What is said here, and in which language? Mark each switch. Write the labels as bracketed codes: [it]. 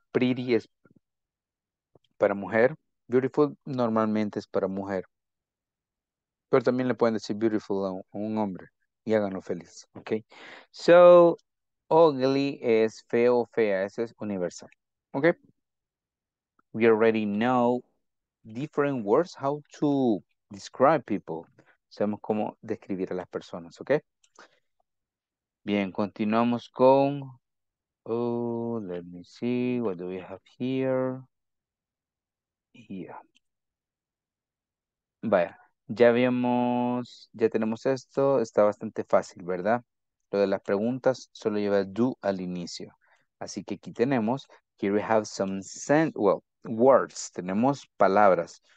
[es] Pretty es para mujer. Beautiful normalmente es para mujer. Pero también le pueden decir beautiful a un hombre y háganlo feliz, ¿ok? So, ugly es feo, fea, eso es universal, ¿ok? [en] We already know different words how to describe people. [es] Sabemos cómo describir a las personas, ¿ok? Bien, continuamos con... [en] Oh, let me see, what do we have here? Yeah. [es] Vaya, ya vimos, ya tenemos esto, está bastante fácil, ¿verdad? Lo de las preguntas solo lleva do al inicio. Así que aquí tenemos, [en] here we have some sense, well, words, [es] tenemos palabras.